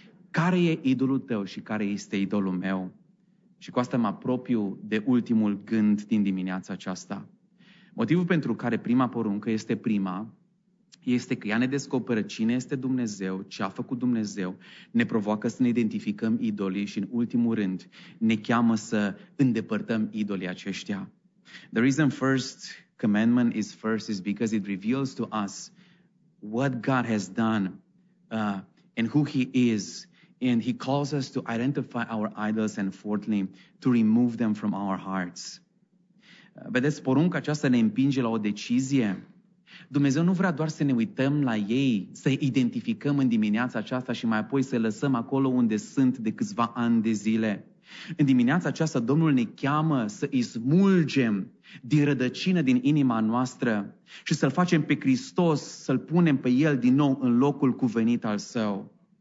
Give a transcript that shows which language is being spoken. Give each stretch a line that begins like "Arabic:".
Romanian: Care e idolul tău și care este idolul meu? Și cu asta mă apropiu de ultimul gând din dimineața aceasta. Motivul pentru care prima poruncă este prima este că ea ne descoperă cine este Dumnezeu, ce a făcut Dumnezeu, ne provoacă să ne identificăm idolii și, în ultimul rând, ne cheamă să îndepărtăm idolii aceștia.
English: The reason first commandment is first is because it reveals to us what God has done and who He is. And He calls us to identify our idols and fourthly, to remove them from our hearts.
Romanian: Vedeți, porunca aceasta ne împinge la o decizie. Dumnezeu nu vrea doar să ne uităm la ei, să identificăm în dimineața aceasta și mai apoi să lăsăm acolo unde sunt de câțiva ani de zile. În dimineața aceasta Domnul ne cheamă să îi smulgem din rădăcină, din inima noastră și să-L facem pe Hristos, să-L punem pe El din nou în locul cuvenit al Său.